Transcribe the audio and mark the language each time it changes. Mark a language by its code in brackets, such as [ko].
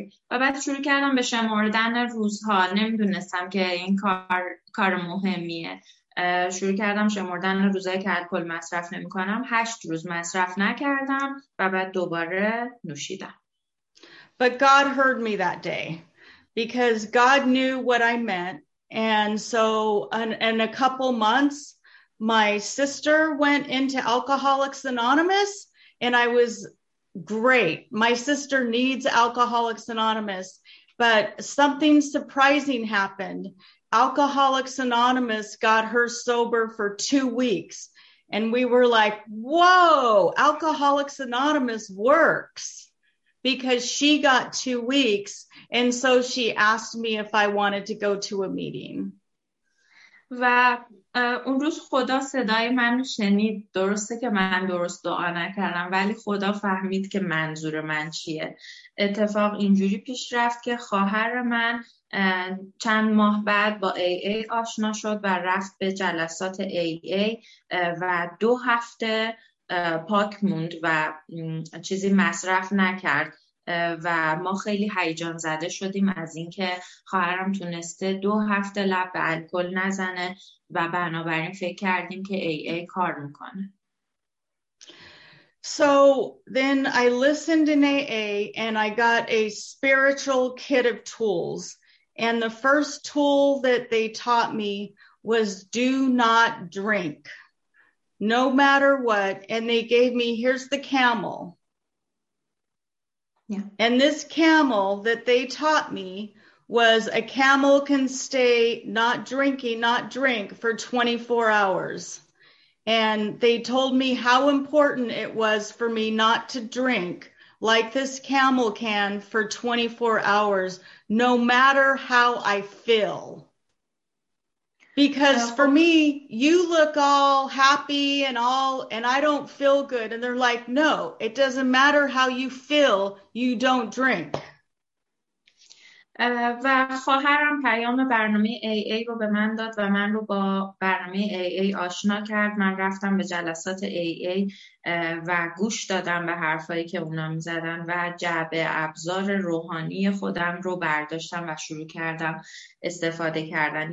[fa] بعد شروع کردم به شمردن روزها. نمیدونستم که این کار مهمیه. شروع کردم شمردن روزهایی که الکل مصرف نمیکنم. 8 روز مصرف نکردم و بعد دوباره نوشیدم. [en] But God heard me that day because God knew what I meant. And so in a couple months my sister went into Alcoholics Anonymous and I was great. My sister needs Alcoholics Anonymous, but something surprising happened. Alcoholics Anonymous got her sober for 2 weeks and we were like, whoa, Alcoholics Anonymous works, because she got 2 weeks. And so she asked me if I wanted to go to a meeting. [fa] اون روز خدا صدای من شنید. درسته که من درست دعا نکردم، ولی خدا فهمید که منظور من چیه. اتفاق اینجوری پیش رفت که خواهر من چند ماه بعد با AA آشنا شد و رفت به جلسات AA و 2 هفته پاک موند و چیزی مصرف نکرد و ما خیلی هیجان زده شدیم از اینکه خواهرم تونسته 2 هفته لب به الکل نزنه و بنابراین فکر کردیم که AA کار میکنه. [en] So then I listened in AA and I got a spiritual kit of tools. And the first tool that they taught me was do not drink. No matter what. And they gave me, here's the camel. Yeah. And this camel that they taught me was a camel can stay not drinking, not drink for 24 hours. And they told me how important it was for me not to drink like this camel can for 24 hours, no matter how I feel. Because for me, you look all happy and all, and I don't feel good. And they're like, no, it doesn't matter how you feel, you don't drink. [fa] و خواهرم پیام برنامه AA رو به من داد و من رو با برنامه AA آشنا کرد. من رفتم به جلسات AA و گوش دادم به حرفایی که اونا می زدن و جعبه ابزار روحانی خودم رو برداشتم و شروع کردم استفاده کردن.